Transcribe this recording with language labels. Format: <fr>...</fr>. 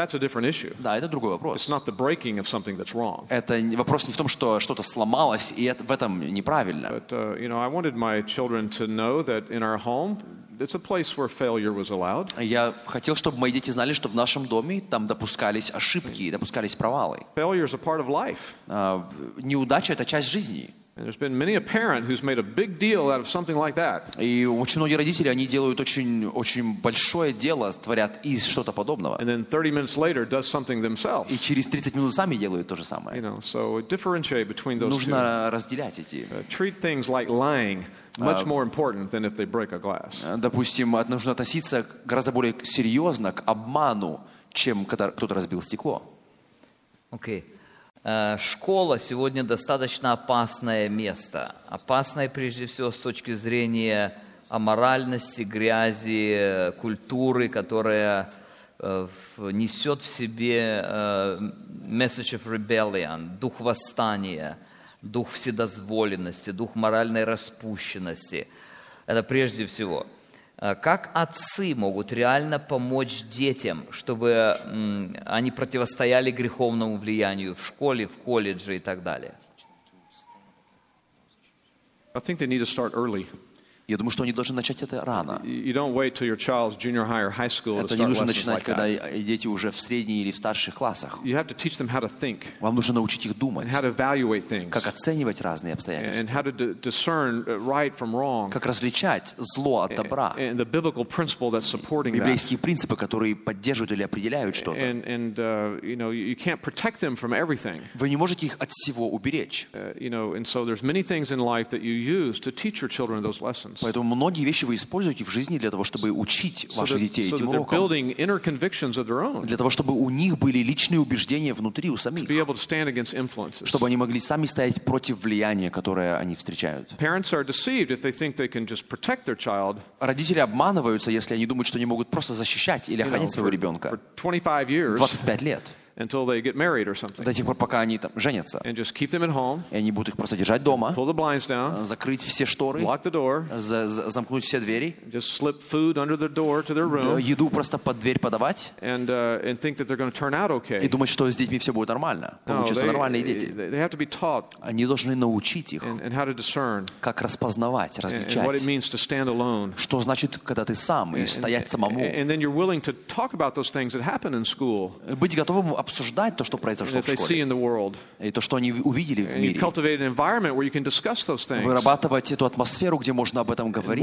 <en>that's a different issue.</en> <ru>Да, это другой вопрос.</ru> <en>It's not the breaking of something that's wrong.</en> <ru>Это вопрос не в том, что что-то сломалось, и это, в этом неправильно.</ru> <en>But, you know, I wanted my children to know that in our home, it's a place where failure was allowed.</en> <ru>Я хотел, чтобы мои дети знали, что в нашем доме там допускались ошибки, допускались провалы.</ru> <en>Failure is a part of life.</en> <ru>Неудача — это часть жизни.</ru> <en>And there's been many a parent who's made a big deal out of something like that.</en> <ru>И очень многие родители, они делают очень большое дело, творят из что-то подобного.</ru> <en>And then 30 minutes later does something themselves.</en> <ru>И через 30 минут сами делают то же самое.</ru> <en>You know, so differentiate between those.</en> <ru>Нужно разделять эти.</ru> <en>Treat things like lying much more important than if they break a glass.</en> <ru>Допустим, нужно относиться гораздо более серьезно к обману, чем когда кто-то разбил стекло.</ru> <en>Okay.</en> <ru>Школа сегодня достаточно опасное место. Опасное, прежде всего, с точки зрения аморальности, грязи, культуры, которая несет в себе</ru> <en>message of rebellion,</en> <ru>дух восстания, дух вседозволенности, дух моральной распущенности. Это прежде всего. Как отцы могут реально помочь детям, чтобы они противостояли греховному влиянию в школе, в колледже и так далее?</ru> <en>I think they need to start early.</en> <ru>Я думаю, что они должны начать это рано.</ru> <en>You don't wait till your child's junior high or high school.</en> <ru>Это не нужно начинать, когда дети уже в средней или в старших классах.</ru> <en>You have to teach them how to think.</en> <ru>Вам нужно научить их думать.</ru> <en>And how to evaluate things.</en> <ru>Как оценивать разные обстоятельства.</ru> <en>And how to discern right from wrong.</en> <ru>Как различать зло от добра.</ru> <en>And the biblical principle that's supporting that.</en> <ru>Библейские принципы, которые поддерживают или определяют что-то.</ru> <en>And you know, you can't protect them from everything.</en> <ru>Вы не можете их от всего уберечь.</ru> <en>You know, and so there's many things in life that you use to teach your children those lessons. students.</en> <ru>Поэтому многие вещи вы используете в жизни для того, чтобы учить ваших детей этим урокам.</ru> <en>Building inner convictions of their own.</en> <ru>Для того, чтобы у них были личные убеждения внутри, у самих.</ru> <en>To be able to stand against influences.</en> <ru>Чтобы они могли сами стоять против влияния, которое они встречают.</ru> <en>Parents are deceived if they think they can just protect their child.</en> <ru>Родители обманываются, если они думают, что они могут просто защищать или охранять своего ребенка.</ru> <en>For 25 years.</en> <ru>25 лет.</ru> <en>Until they get married or something.</en> <ru>До тех пор, пока они там женятся.</ru> <en>And just keep them at home.</en> <ru>И они будут их просто держать дома.</ru> <en>Pull the blinds down.</en> <ru>Закрыть все шторы.</ru> <en>Lock the door.</en> <ru>Замкнуть все двери.</ru> <en>Just slip food under the door to their room.</en> <ru>Еду просто под дверь подавать.</ru> <en>And think that they're going to turn out okay.</en> <ru>И думать, что с детьми все будет нормально. Получатся нормальные дети.</ru> <en>They have to be taught.</en> <ru>Они должны научить их.</ru> <en>And how to discern.</en> <ru>Как распознавать, различать.</ru> <en>And what it means to stand alone.</en> <ru>Что значит, когда ты сам и стоять самому.</ru> <en>And then you're willing to talk about those things that happen in school.</en> <ru>Быть готовым обсуждать то, что произошло в школе. И то, что они увидели в мире.</ru> <en>Cultivate an environment where you can discuss those things.</en> <ru>Вырабатывать эту атмосферу, где можно об этом говорить.</ru>